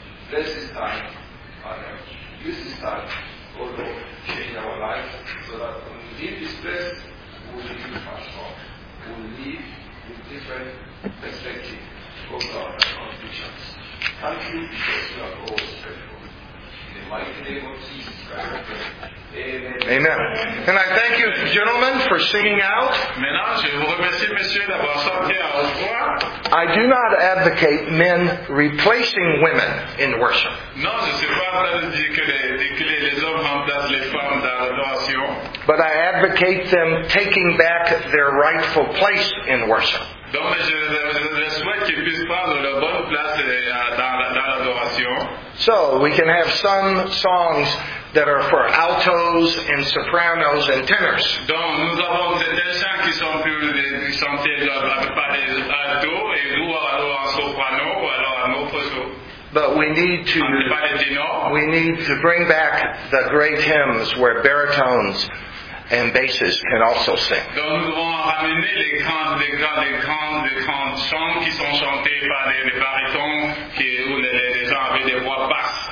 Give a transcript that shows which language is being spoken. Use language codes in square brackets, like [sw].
[en] Bless this time, Father. Use this time. Oh Lord, change our life so that when we leave this place, we'll leave with our strong. We'll leave with different perspective for God and our future. Thank you because you are always faithful. In the mighty name of Jesus Christ, we pray. Amen. And I thank you, gentlemen, for singing out. [fr] Maintenant, je vous remercie, messieurs, d'avoir sorti à la voix. [en] I do not advocate men replacing women in worship. [fr] Non, je ne suis pas en train de dire que les hommes remplacent les femmes dans l'adoration. [en] But I advocate them taking back their rightful place in worship. [fr] Donc, je souhaite qu'ils puissent prendre leur bonne place dans l'adoration. [en] So, we can have some songs that are for altos and sopranos and tenors. [fr] Donc nous avons des chants qui sont plus chantés par des altos et vous alors un soprano ou alors un autre chose. [en] But we need to bring back the great hymns where baritones and basses can also sing. [fr] Donc nous devons ramener les grands chants qui sont chantés par des baritons où les gens avaient des voix basses.